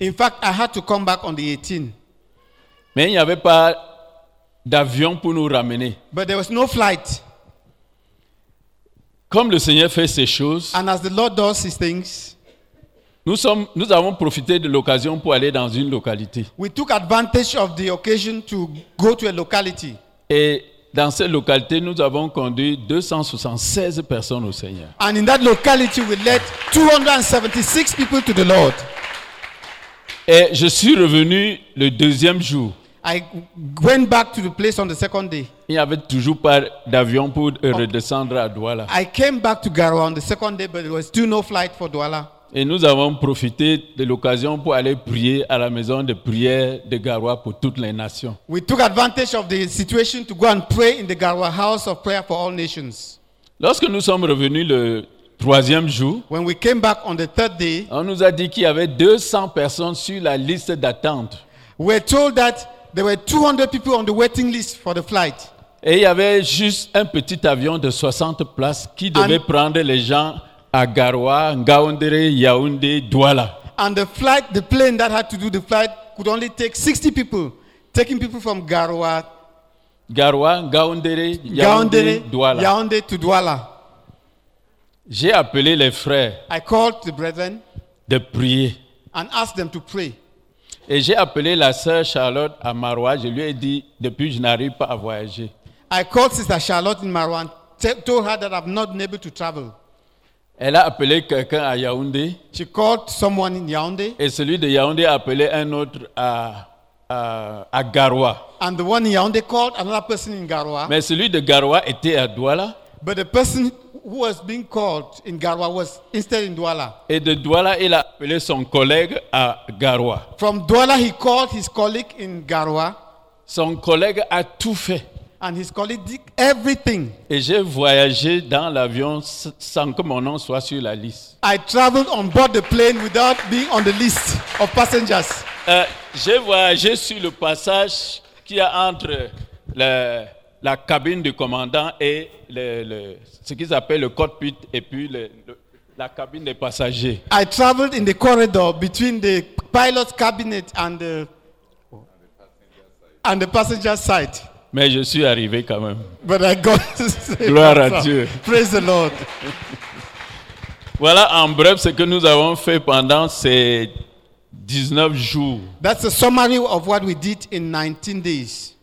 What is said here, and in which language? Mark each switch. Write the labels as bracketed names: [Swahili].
[English] In fact, I had to come back on the 18. [French] Mais il n'y avait pas d'avion pour nous ramener. [English] But there was no flight. [French] Comme le Seigneur fait ces choses. [English] And as the Lord does these things. [French] Nous avons profité de l'occasion pour aller dans une localité. [English] We took advantage of the occasion to go to a locality. [French] Et dans cette localité, nous avons conduit 276 personnes au Seigneur. [English] And in that locality, we led 276 people to the Lord. [French] Et je suis revenu le deuxième jour. [English] I went back to the place on the second day. [French] Il n'y avait toujours pas d'avion pour redescendre à Douala. [English] I came back to Garoua on the second day, but there was still no flight for Douala. [French] Et nous avons profité de l'occasion pour aller prier à la maison de prière de Garoua pour toutes les nations. [English] We took advantage of the situation to go and pray in the Garoua house of prayer for all nations. [French] Lorsque nous sommes revenus le troisième jour, [English] when we came back on the third day, [French] on nous a dit qu'il y avait 200 personnes sur la liste d'attente. [English] We were told that there were 200 people on the waiting list for the flight. [French] Et il y avait juste un petit avion de 60 places qui devait prendre les gens à Garoua, Ngaoundéré, Yaoundé, Douala. [English] And the plane that had to do the flight could only take 60 people, taking people from Garoua, Ngaoundéré, Yaoundé, Douala. Yaoundé to Douala. [French] J'ai appelé les frères. [English] I called the brethren [French] de prier [English] and asked them to pray. [French] Et j'ai appelé la sœur Charlotte à Maroua, je lui ai dit depuis je n'arrive pas à voyager. [English] I called Sister Charlotte in Maroua and told her that I've not been able to travel. [French] Elle a appelé quelqu'un à Yaoundé. [English] She called someone in Yaoundé. [French] Et celui de Yaoundé a appelé un autre à Garoua. [English] And the one in Yaoundé called another person in Garoua. [French] Mais celui de Garoua était à Douala. [English] But the person who was being called in Garoua was instead in Douala. [French] Et de Douala, il a appelé son collègue à Garoua. [English] From Douala, he called his colleague in Garoua. [French] Son collègue a tout fait. [English] And his colleague did everything. [French] Et j'ai voyagé dans l'avion sans que mon nom soit sur la liste. [English] I traveled on board the plane without being on the list of passengers. [French] J'ai voyagé sur le passage qui est entre la cabine du commandant et ce qu'ils appellent le cockpit et puis la cabine des passagers. [English] I traveled in the corridor between the pilot's cabinet and the passenger side. [French] Mais je suis arrivé quand même. [English] But I got to say, [French] gloire à Dieu. [English] Praise the Lord. [French] Voilà en bref ce que nous avons fait pendant ces 19 jours. [English] That's a summary of what we did in 19 days.